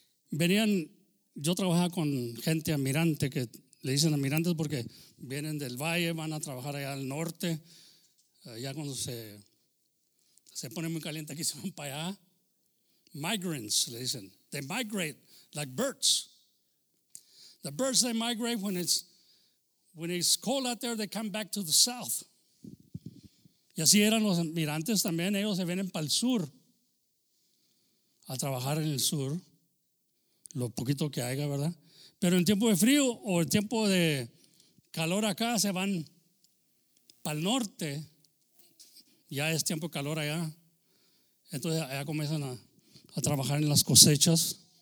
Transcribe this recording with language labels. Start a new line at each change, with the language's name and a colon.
Spanish: Venían, yo trabajaba con gente admirante, que le dicen admirantes porque vienen del valle, van a trabajar allá al norte. Allá cuando se pone muy caliente aquí, se van para allá.
English: Migrants,
Spanish: le dicen.
English: They migrate like birds. The birds, they migrate when it's cold out there, they come back to the south.
Spanish: Y así eran los admirantes también. Ellos se vienen para el sur a trabajar en el sur, lo poquito que haya, ¿verdad? Pero en tiempo de frío o en tiempo de calor acá, se van para el norte. Ya es tiempo de calor allá. Entonces allá comienzan a trabajar en las cosechas.